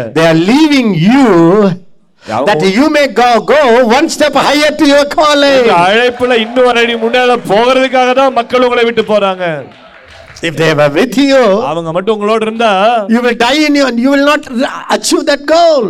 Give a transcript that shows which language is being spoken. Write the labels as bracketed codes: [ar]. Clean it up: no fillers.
[en] They are leaving you that you may go one step higher to your calling. [ta] அழைப்புல இன்னும் ஒரு அடி முன்னால போறதுக்காக தான் மக்கள் உங்களை விட்டு போறாங்க. [en] If they were with you, [ta] அவங்க மட்டும் உங்களோட இருந்தா, [en] you will die in your, you will not achieve that goal.